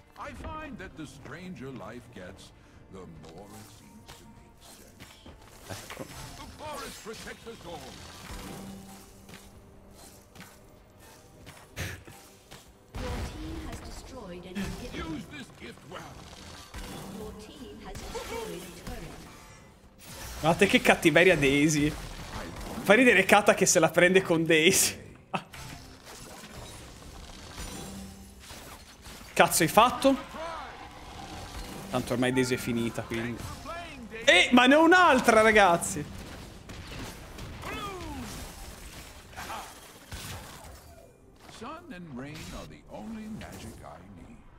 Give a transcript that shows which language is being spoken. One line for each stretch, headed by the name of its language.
English: I find that the stranger life gets, the more it seems to make sense.
Italian: Ecco.
English: The forest protects us all. Your team has destroyed an enemy. Use this gift well. Your team has destroyed a turret.
Italian: Guardate che cattiveria Daisy. Fa ridere Kata che se la prende con Daisy. Cazzo hai fatto? Tanto ormai Daisy è finita, quindi... ma ne ho un'altra, ragazzi!
English: sun and rain are the only magic I need.